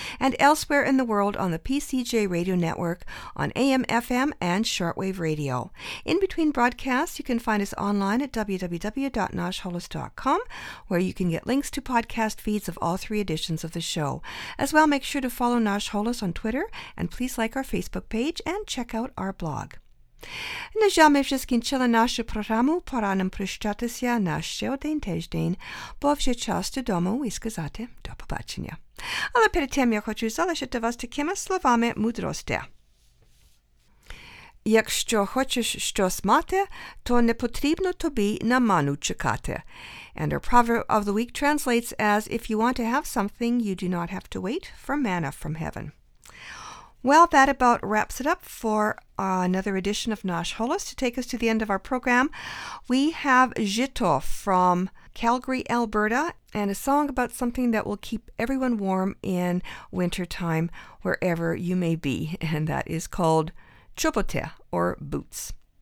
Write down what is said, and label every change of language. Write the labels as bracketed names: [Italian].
[English] And elsewhere in the world on the PCJ Radio Network on AM, FM, and shortwave radio. In between broadcasts, you can find us online at www.nashholos.com, where you can get links to podcast feeds of all three editions of the show. As well, make sure to follow Nash Holos on Twitter, and please like our Facebook page and check out our blog. [Ukrainian] Нажав ми вже скінчили нашу програму, пора нам прощатися на ще один тиждень, бо вже час додому і сказати до побачення. Але перед тим я хочу залишити вас такими словами мудрості. Якщо хочеш щось мати, то не потрібно тобі на ману чекати. [English] And our proverb of the week translates as, if you want to have something, you do not have to wait for manna from heaven. Well, that about wraps it up for another edition of Nash Holos. To take us to the end of our program, we have Zhito from Calgary, Alberta, and a song about something that will keep everyone warm in wintertime, wherever you may be, and that is called Chobote, or boots.